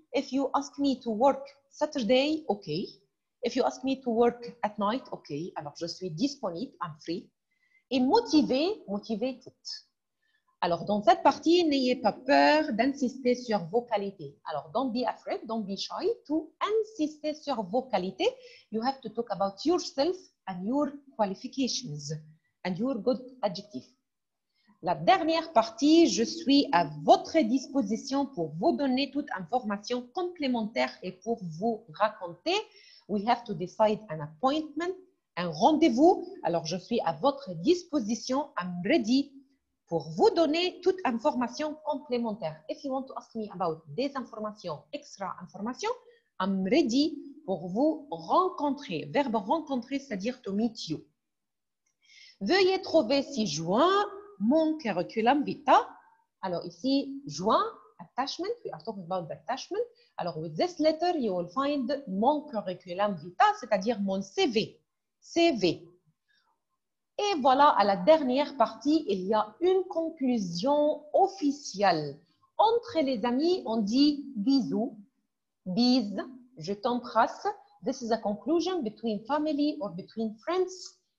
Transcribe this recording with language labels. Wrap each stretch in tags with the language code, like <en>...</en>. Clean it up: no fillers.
<en>If you ask me to work Saturday, okay. If you ask me to work at night, okay.</en> <fr>Alors, je suis disponible,</fr> <en>I'm free.</en> <fr>Et motivée, motivated. Alors, dans cette partie, n'ayez pas peur d'insister sur vos qualités.</fr> <en>Alors, don't be afraid, don't be shy to</en> <fr>insister sur vos qualités.</fr> <en>You have to talk about yourself and your qualifications and your good adjectives.</en> <fr>La dernière partie, je suis à votre disposition pour vous donner toute information complémentaire et pour vous raconter.</fr> <en>We have to decide an appointment,</en> <fr>un rendez-vous. Alors, je suis à votre disposition,</fr> <en>I'm ready,</en> <fr>pour vous donner toute information complémentaire.</fr> <en>If you want to ask me about</en> <fr>des informations,</fr> <en>extra information, I'm ready</en> <fr>pour vous rencontrer. Verbe rencontrer, c'est-à-dire</fr> <en>to meet you.</en> <fr>Veuillez trouver ci-joint mon curriculum vitae. Alors ici,</fr> <en>joint, attachment, we are talking about the attachment. Alors, with this letter, you will find</en> <fr>mon curriculum vitae, c'est-à-dire mon CV.</fr> <en>CV.</en> <fr>Et voilà, à la dernière partie, il y a une conclusion officielle. Entre les amis, on dit bisous, bise, je t'embrasse.</fr> <en>This is a conclusion between family or between friends.</en>